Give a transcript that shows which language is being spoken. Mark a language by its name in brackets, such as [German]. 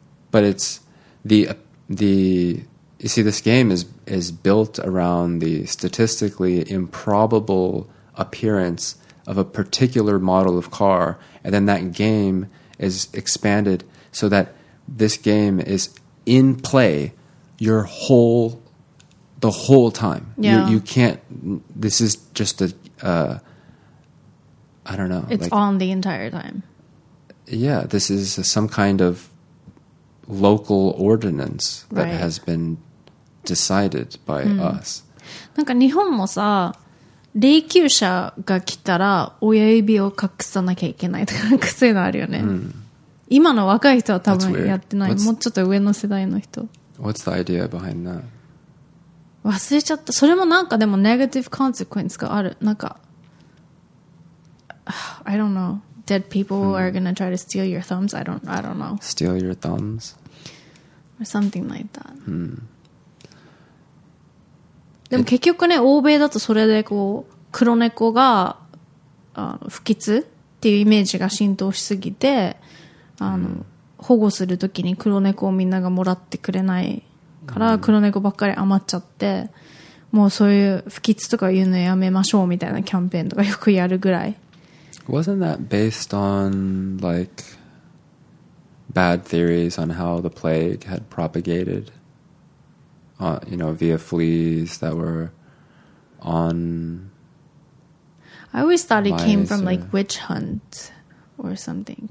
[English] But it's the you see, this game is built around the statistically improbable appearance of a particular model of car, and then that game is expanded so that this game is in play your whole the whole time. Yeah. You can't, this is just a I don't know. It's like, on the entire time. Yeah, this is some kind of local ordinance that right. has been decided by us. [Japanese] なんか日本もさ、霊柩車が来たら親指を隠さなきゃいけないとかなんかそういうのあるよね。今の若い人は多分やってない。もうちょっと上の世代の人。 [English] What's the idea behind that? [Japanese] 忘れちゃった。それもなんかでもネガティブコンセクエンスがある。 [English] なんか、I don't know. Dead people are gonna try to steal your thumbs. I don't know. Steal your thumbs, or something like that. Hmm. [Japanese] でも結局ね、欧米だとそれでこう黒猫が不吉っていうイメージが浸透しすぎて、保護するときに黒猫をみんながもらってくれないから黒猫ばっかり余っちゃって、もうそういう不吉とか言うのやめましょうみたいなキャンペーンとかよくやるぐらい。 [English] Wasn't that based on, like, bad theories on how the plague had propagated, you know, via fleas that were on... I always thought it came from, like, witch hunt or something.